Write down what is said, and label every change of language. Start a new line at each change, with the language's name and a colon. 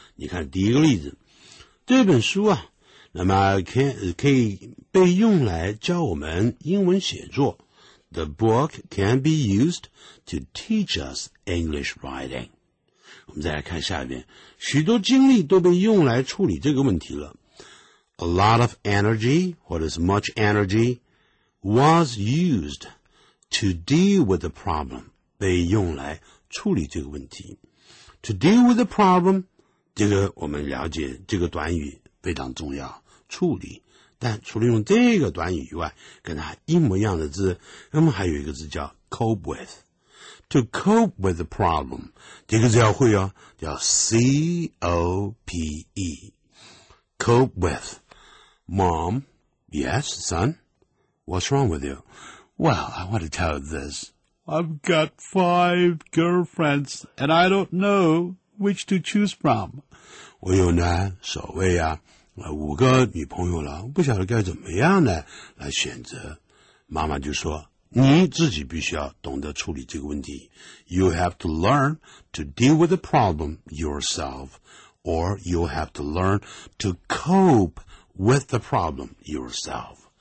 Chinese: 你看第一个例子，这本书啊，那么可以被用来教我们英文写作。
English: The book can be used to teach us English writing。
Chinese: 我们再来看下一遍，许多精力都被用来处理这个问题了。
English: A lot of energy, what is much energy, was used to deal with the problem,
Chinese: 被用来处理这个问题。
English: To deal with the problem,
Chinese: 这个我们了解，这个短语非常重要，处理。但除了用这个短语以外，跟它一模一样的字，那么还有一个字叫 cope with。
English: To cope with the problem,
Chinese: 这个字要会哦，叫
English: C-O-P-E, cope with. Mom, yes, son, what's wrong with you? Well, I want to tell you this. I've got 5 girlfriends, and I don't know which to choose from.
Chinese: 我有呢，所谓啊，五个女朋友了，不晓得该怎么样呢来选择。妈妈就说，你自己必须要懂得处理这个问题。
English: You have to learn to deal with the problem yourself, or you have to learn to cope with the problem yourself.